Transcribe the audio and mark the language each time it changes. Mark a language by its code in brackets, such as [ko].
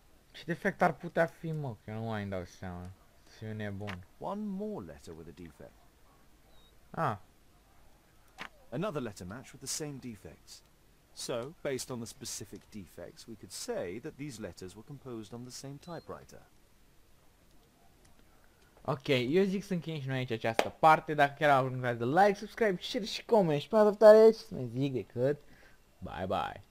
[ro] Ce defect ar putea fi, mă, că eu nu mai îmi dau seama. Să fiu nebun. [en] One more letter with a defect. Ah. Another letter match with the same defects. So, based on the specific defects, we could say that these letters were composed on the same typewriter. [ro] Ok, eu zic să încheiem și noi aici această parte. Dacă chiar au un like, subscribe, share și comment. Și pe adaptare aici, să ne zic decât. Bye bye.